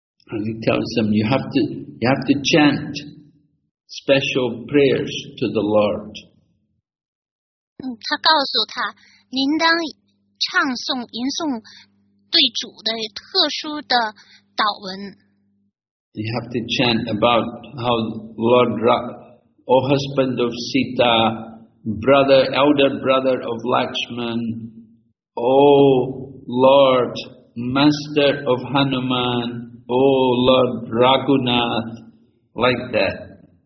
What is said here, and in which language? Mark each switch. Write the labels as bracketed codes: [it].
[en] And he tells them, you have to chant special prayers to the Lord. [zh] 他告诉他，您当唱诵、吟诵对主的特殊的祷文。 [en] You have to chant about how Lord Rama, O husband of Sita, brother, elder brother of Lakshman, O Lord, master of Hanuman,Oh Lord Raghunath, like that.